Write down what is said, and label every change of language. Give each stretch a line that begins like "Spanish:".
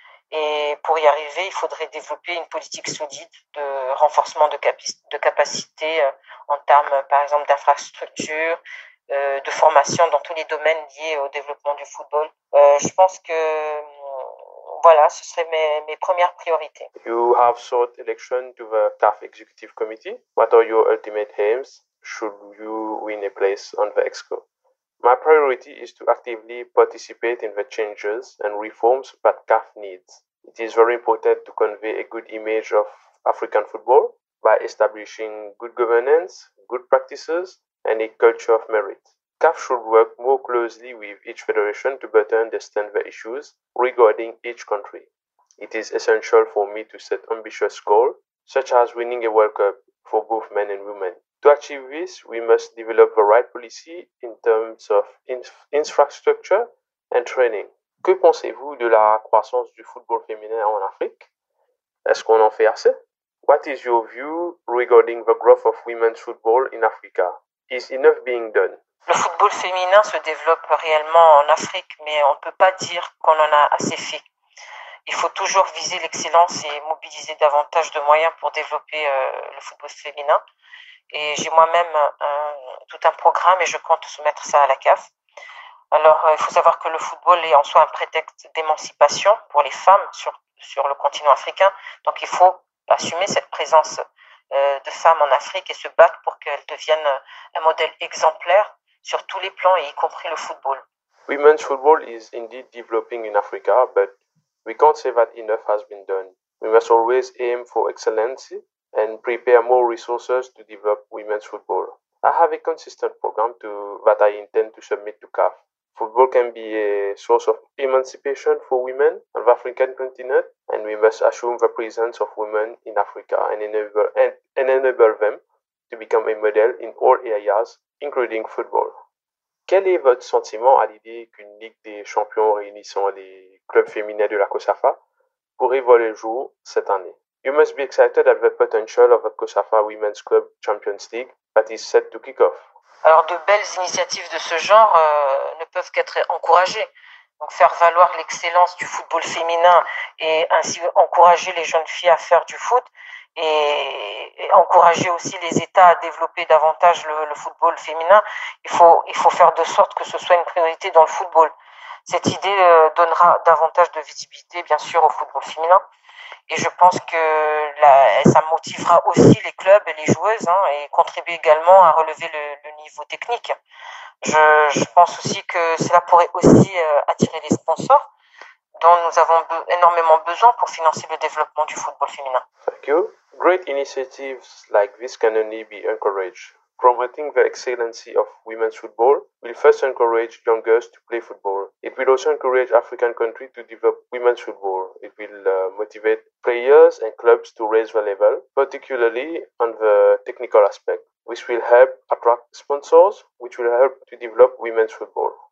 French: Et pour y arriver, il faudrait développer une politique solide de renforcement de capacités en termes, par exemple, d'infrastructures, de formation dans tous les domaines liés au développement du football. Je pense que voilà, ce serait mes premières priorités.
English: You have sought election to the CAF Executive Committee. What are your ultimate aims should you win a place on the Exco? My priority is to actively participate in the changes and reforms that CAF needs. It is very important to convey a good image of African football by establishing good governance, good practices, and a culture of merit. CAF should work more closely with each federation to better understand the issues regarding each country. It is essential for me to set ambitious goals, such as winning a World Cup for both men and women. To achieve this, we must develop the right policy in terms of infrastructure and training.
French: Que pensez-vous de la croissance du football féminin en Afrique? Est-ce qu'on en fait assez?
English: What is your view regarding the growth of women's football in Africa? Is enough being done?
French: Le football féminin se développe réellement en Afrique, mais on ne peut pas dire qu'on en a assez fait. Il faut toujours viser l'excellence et mobiliser davantage de moyens pour développer le football féminin. Et j'ai moi-même tout un programme et je compte soumettre ça à la CAF. Alors, il faut savoir que le football est en soi un prétexte d'émancipation pour les femmes sur le continent africain. Donc, il faut assumer cette présence de femmes en Afrique et se battre pour qu'elles deviennent un modèle exemplaire sur tous les plans, et y compris le football.
English: Women's football is indeed developing in Africa, but we can't say that enough has been done. We must always aim for excellence and prepare more resources to develop women's football. I have a consistent program that I intend to submit to CAF. Football can be a source of emancipation for women on the African continent, and we must assume the presence of women in Africa and enable them to become a model in all areas, including football.
French: Quel est votre sentiment à l'idée qu'une Ligue des champions réunissant les clubs féminins de la COSAFA pourrait voir le jour cette année?
English: You must be excited at the potential of the COSAFA Women's Club Champions League that is set to kick off.
French: Alors, de belles initiatives de ce genre ne peuvent qu'être encouragées. Donc, faire valoir l'excellence du football féminin et ainsi encourager les jeunes filles à faire du foot et encourager aussi les États à développer davantage le football féminin, il faut faire de sorte que ce soit une priorité dans le football. Cette idée donnera davantage de visibilité, bien sûr, au football féminin. Et je pense que ça motivera aussi les clubs et les joueuses hein, et contribuer également à relever le niveau technique. Je pense aussi que cela pourrait aussi attirer des sponsors dont nous avons énormément besoin pour financer le développement du football féminin.
English: Thank you. Great initiatives like this can only be encouraged. Promoting the excellency of women's football will first encourage young girls to play football. It will also encourage African countries to develop women's football. It will motivate players and clubs to raise the level, particularly on the technical aspect, which will help attract sponsors, which will help to develop women's football.